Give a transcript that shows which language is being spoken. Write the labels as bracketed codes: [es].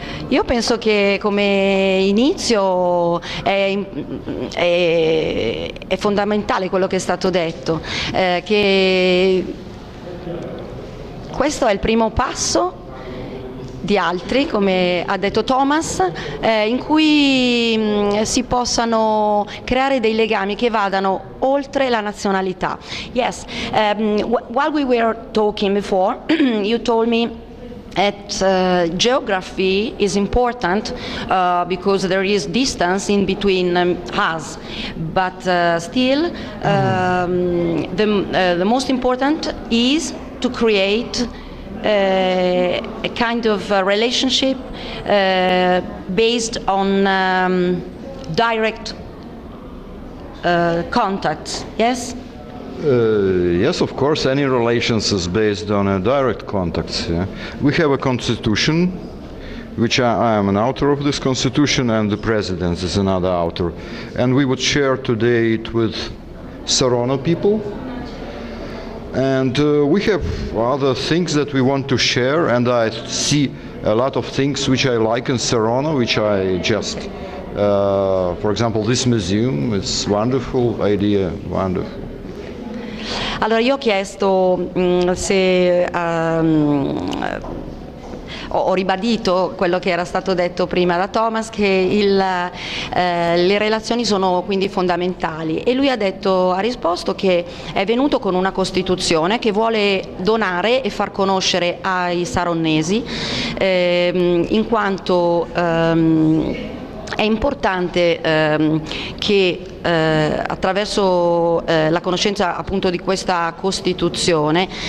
[it] Io penso che come inizio è fondamentale quello che è stato detto, che questo è il primo passo di altri, come ha detto Thomas, in cui si possano creare dei legami che vadano oltre la nazionalità. [en] Yes, while we were talking before, you told me that geography is important because there is distance in between us, but still the most important is to create a kind of a relationship based on direct contact, yes? Yes, of course, any relations is based on direct contacts. Yeah? We have a constitution, which I am an author of this constitution, and the president is another author. And we would share today it with Saronno people. And we have other things that we want to share, and I see a lot of things which I like in Saronno, which I just, for example, this museum is wonderful idea, wonderful. [it] Allora io ho chiesto se ho ribadito quello che era stato detto prima da Thomas, che le relazioni sono quindi fondamentali, e lui ha risposto che è venuto con una costituzione che vuole donare e far conoscere ai saronnesi, in quanto è importante che attraverso la conoscenza appunto di questa Costituzione